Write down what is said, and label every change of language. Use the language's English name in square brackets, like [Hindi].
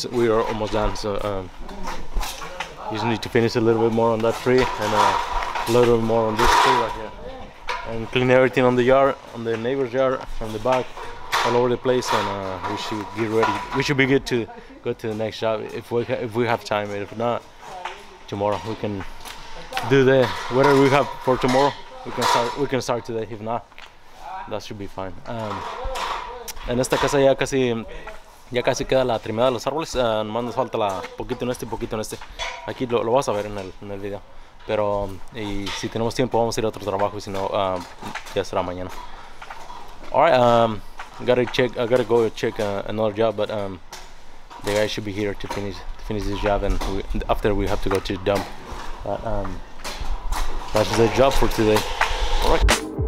[English] We are almost done, so you just need to finish a little bit more on that tree, and a little bit more on this tree right here, and clean everything on the yard, on the neighbor's yard, from the back, all over the place. And we should get ready. We should be good to go to the next job if we have time. If not, tomorrow we can do the whatever we have for tomorrow. We can start today. If not, that should be fine. [Spanish] En esta casa ya casi queda la trimada de los árboles. Nomás nos falta la poquito en este, poquito en este. Aquí lo vas a ver en el video. Pero y si tenemos tiempo vamos a ir a otro trabajo, y si no ya será mañana. [English] Alright, I gotta go check another job, but the guy should be here to finish this job, and after we have to go to the dump. That's the job for today. All right.